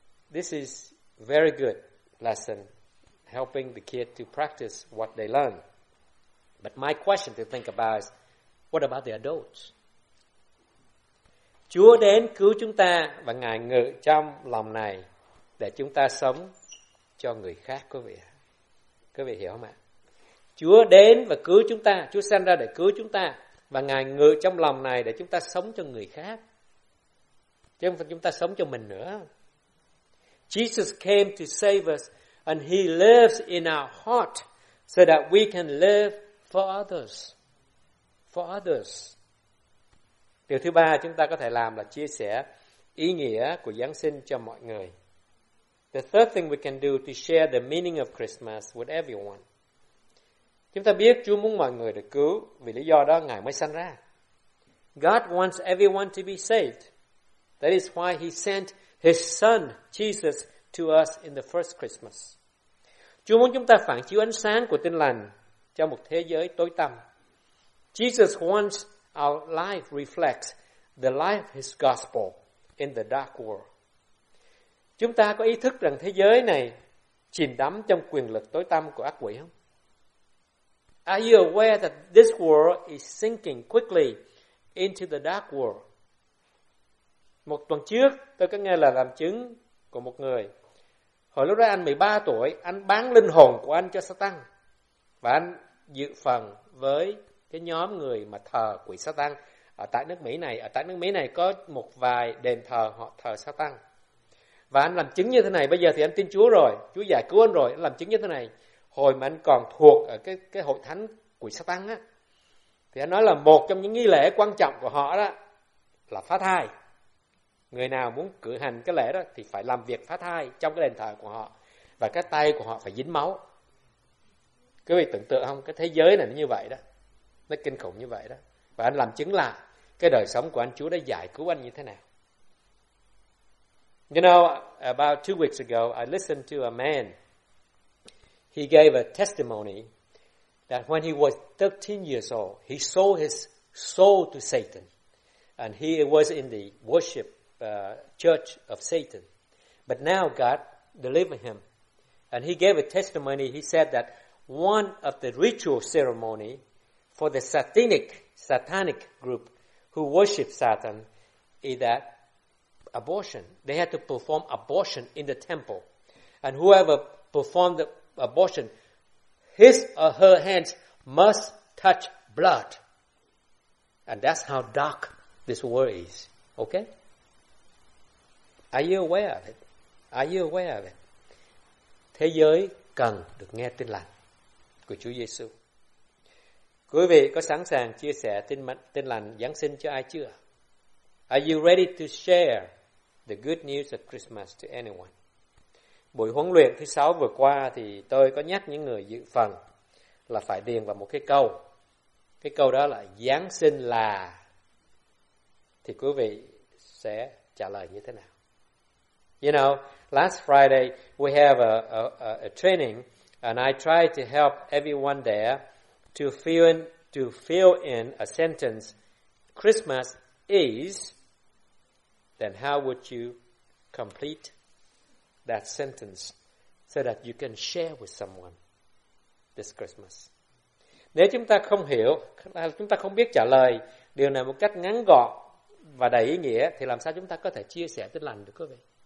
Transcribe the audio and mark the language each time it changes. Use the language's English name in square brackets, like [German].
[English] This is very good lesson, helping the kid to practice what they learn. But my question to think about is, what about the adults? [Vietnamese] Chúa đến cứu chúng ta và Ngài ngự trong lòng này để chúng ta sống cho người khác, quý vị. Quý vị hiểu không ạ? Chúa đến và cứu chúng ta, Chúa sanh ra để cứu chúng ta và Ngài ngự trong lòng này để chúng ta sống cho người khác. Chứ không phải chúng ta sống cho mình nữa. [English] Jesus came to save us and He lives in our heart so that we can live for others. For others. [Vietnamese] Điều thứ ba chúng ta có thể làm là chia sẻ ý nghĩa của Giáng sinh cho mọi người. [English] The third thing we can do to share the meaning of Christmas with everyone. [Vietnamese] Chúng ta biết Chúa muốn mọi người được cứu, vì lý do đó Ngài mới sanh ra. [English] God wants everyone to be saved. That is why He sent His Son, Jesus, to us in the first Christmas. [Vietnamese] Chúa muốn chúng ta phản chiếu ánh sáng của tin lành cho một thế giới tối tăm. [English] Jesus wants our life reflects the life of His gospel in the dark world. [Vietnamese] Chúng ta có ý thức rằng thế giới này chìm đắm trong quyền lực tối tăm của ác quỷ không? [English] Are you aware that this world is sinking quickly into the dark world? [Vietnamese] Một tuần trước, tôi có nghe là làm chứng của một người. Hồi lúc đó anh 13 tuổi, anh bán linh hồn của anh cho Satan. Và anh dự phần với cái nhóm người mà thờ quỷ Satan ở tại nước Mỹ này. Ở tại nước Mỹ này có một vài đền thờ họ thờ Satan. Và anh làm chứng như thế này. Bây giờ thì anh tin Chúa rồi. Chúa giải cứu anh rồi. Anh làm chứng như thế này. Hồi mà anh còn thuộc ở cái hội thánh quỷ Satan á. Thì anh nói là một trong những nghi lễ quan trọng của họ đó là phá thai. Người nào muốn cử hành cái lễ đó thì phải làm việc phá thai trong cái đền thờ của họ. Và cái tay của họ phải dính máu. Quý vị tưởng tượng không? Cái thế giới này nó như vậy đó. Nó kinh khủng như vậy đó. Và anh làm chứng là cái đời sống của anh Chúa đã giải cứu anh như thế nào. [English] You know, about 2 weeks ago, I listened to a man. He gave a testimony that when he was 13 years old, he sold his soul to Satan. And he was in the worship church of Satan. But now God delivered him. And he gave a testimony. He said that one of the ritual ceremony for the satanic group who worship Satan is that abortion. They had to perform abortion in the temple. And whoever performed the abortion, his or her hands must touch blood. And that's how dark this world is. Okay? Are you aware of it? Are you aware of it? [Vietnamese] Thế giới cần được nghe tin lành của Chúa Giê-xu. Quý vị có sẵn sàng chia sẻ tin lành Giáng sinh cho ai chưa? [English] Are you ready to share the good news of Christmas to anyone? [Vietnamese] Buổi huấn luyện thứ 6 vừa qua thì tôi có nhắc những người dự phần là phải điền vào một cái câu. Cái câu đó là Giáng sinh là... Thì quý vị sẽ trả lời như thế nào? [English] You know, last Friday we have a training and I tried to help everyone there to fill in a sentence. Christmas is... then how would you complete that sentence so that you can share with someone this Christmas? [Vietnamese] Nếu chúng ta không hiểu, chúng ta không biết trả lời điều này một cách ngắn gọn và đầy ý nghĩa, thì làm sao chúng ta có thể chia sẻ tin lành được quý vị?